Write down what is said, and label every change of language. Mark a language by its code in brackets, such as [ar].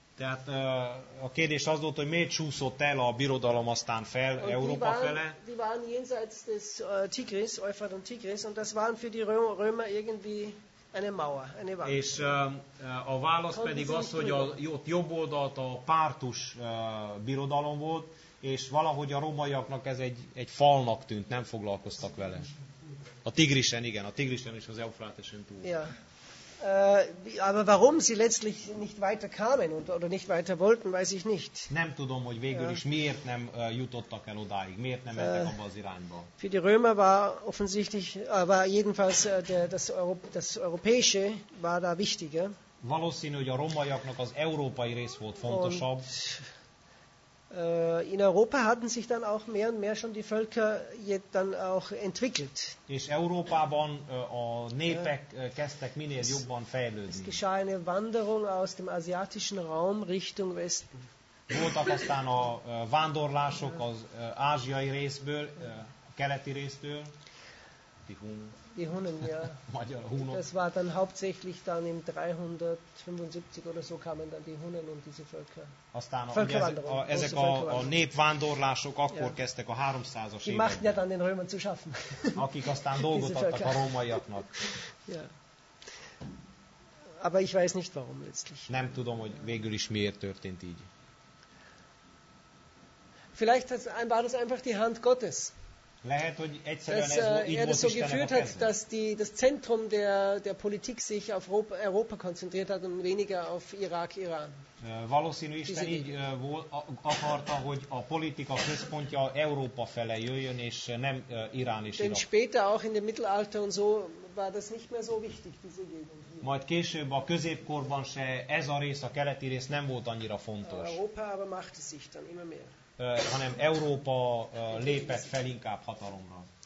[hu] Tehát a kérdés az volt, hogy miért csúszott el a birodalom aztán fel [de] und [hu] Európa [de] waren, [hu] fele. [de] Die waren jenseits des Tigris, Euphrat und Tigris, und das waren für die Römer irgendwie eine Mauer, eine Wand. [hu] És a válasz pedig az, hogy ott jobb oldalt a pártus birodalom volt, és valahogy a romaiaknak ez egy falnak tűnt, nem foglalkoztak vele. A Tigrisen, igen, a Tigrisen és az Eufratesen túl. [de] Ja. Aber warum sie letztlich nicht weiter kamen oder nicht weiter wollten, weiß ich nicht. [hu] Nem tudom, hogy végül is miért nem jutottak el odáig, miért nem mentek abba az irányba. [de] Für die Römer war offensichtlich, war jedenfalls das Europäische war da wichtiger. [hu] Valószínű, hogy a romaiaknak az európai rész volt fontosabb. [de] In Europa hatten sich dann auch mehr und mehr schon die Völker jetzt dann auch entwickelt. [hu] És Európában a népek kezdtek minél jobban fejlődni. [de] Es geschah eine Wanderung aus dem asiatischen Raum Richtung Westen. [hu] Voltak aztán a vándorlások az ázsiai részből, a keleti résztől. [de] Die Hunnen, ja. Das war dann hauptsächlich dann im 375 oder so kamen dann die Hunnen und diese Völker. [hu] Aztán ezek a népvándorlások akkor kezdtek a 300-as években. [de] Die machten ja dann den Römern zu schaffen. [hu] Akik aztán dolgot adtak a rómaiaknak. [de] Ja. Aber ich weiß nicht warum letztlich. [hu] Nem tudom, hogy végül is miért történt így. [de] Vielleicht war das einfach die Hand Gottes. [hu] Lehet, hogy egyszerűen [de] dass er das so geführt hat, dass das Zentrum der Politik sich auf Europa konzentriert hat und weniger auf Irak, Iran. [hu] Valószínű, Isten így akarta, hogy a politika központja Európa fele jöjjön, és nem Irán és [de] Irak. Denn später auch in dem Mittelalter und so war das nicht mehr so wichtig, diese Gegend. [hu] Majd később a középkorban se ez a rész, a keleti rész nem volt annyira fontos. [de] Europa aber machte sich dann immer mehr. [hu] Hanem Európa lépett fel inkább hatalomra.